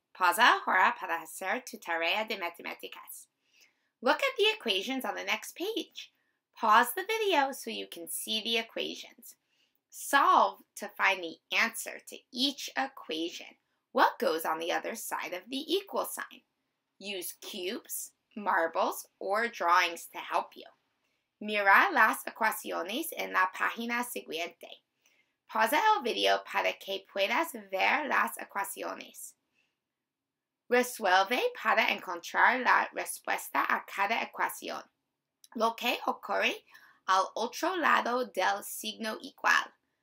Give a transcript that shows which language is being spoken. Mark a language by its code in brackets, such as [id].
[es] Pausa ahora para hacer tu tarea de matemáticas. [en] Look at the equations on the next page. Pause the video so you can see the equations. Solve to find the answer to each equation. What goes on the other side of the equal sign? Use cubes, marbles, or drawings to help you. [es] Mira las ecuaciones en la página siguiente. Pausa el video para que puedas ver las ecuaciones. Resuelve para encontrar la respuesta a cada ecuación. Lo que ocurre al otro lado del signo igual.